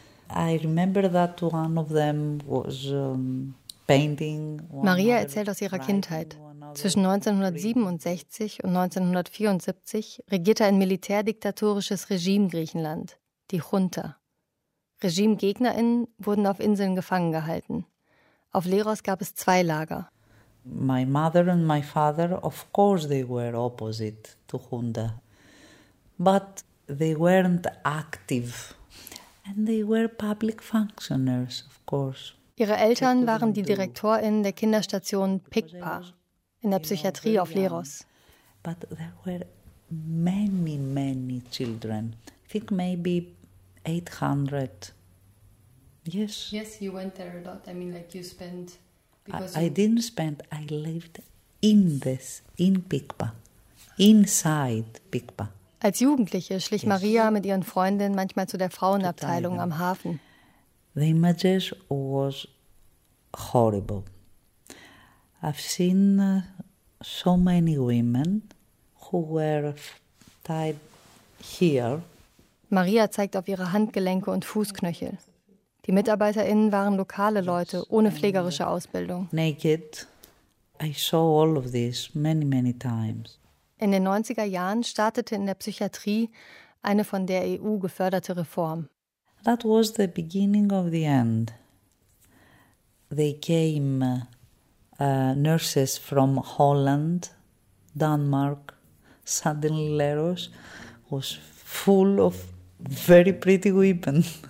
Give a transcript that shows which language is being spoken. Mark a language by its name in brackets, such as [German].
[English] I remember that one of them was painting. [German] Maria erzählt aus ihrer Kindheit. Zwischen 1967 und 1974 regierte ein militärdiktatorisches Regime Griechenland, die Junta. RegimegegnerInnen wurden auf Inseln gefangen gehalten. Auf Leros gab es zwei Lager. [English] My mother and my father, of course they were opposite to Junta. But they weren't active. And they were public functioners, of course. [German] Ihre Eltern waren die DirektorInnen der Kinderstation PIKPA in der Psychiatrie auf Leros. [English] But there were many, many children. I think maybe 800. Yes. Yes, you went there a lot. I mean, like you spent. I lived in this, in PIKPA, inside PIKPA. [German] Als Jugendliche schlich Maria mit ihren Freundinnen manchmal zu der Frauenabteilung am Hafen. [English] The images was horrible. I've seen so many women who were tied here. [German] Maria zeigt auf ihre Handgelenke und Fußknöchel. Die MitarbeiterInnen waren lokale Leute ohne pflegerische Ausbildung. [English] Naked. I saw all of this many, many times. [German] In den 90er Jahren startete in der Psychiatrie eine von der EU geförderte Reform. [English] That was the beginning of the end. They came nurses from Holland, Denmark, suddenly Leros was full of very pretty women.